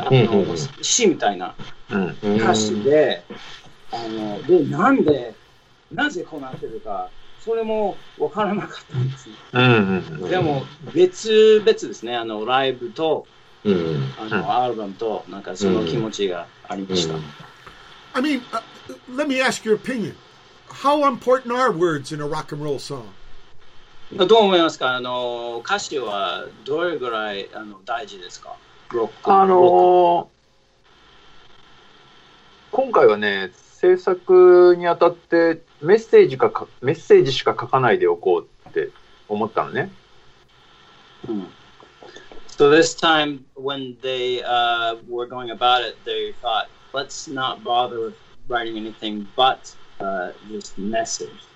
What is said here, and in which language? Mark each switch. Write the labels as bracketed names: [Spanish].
[Japanese] あの詩みたいな歌詞で、あのでなんでなぜこうなってるかそれも分からなかったんです、ね、でも別々ですね、あのライブと、あのアルバムとなんかその気持ちがありました。 [English] I mean、 let me ask your opinion, how important are words in a rock and roll song? [Japanese] どう思いますか、あの歌詞はどれぐらいあの大事ですか、ロック、今回はね、制作にあたってメッセージしか書かないでおこうって思ったのね。 [English] So this time when they were going about it, they thought, let's not bother with writing anything but just message.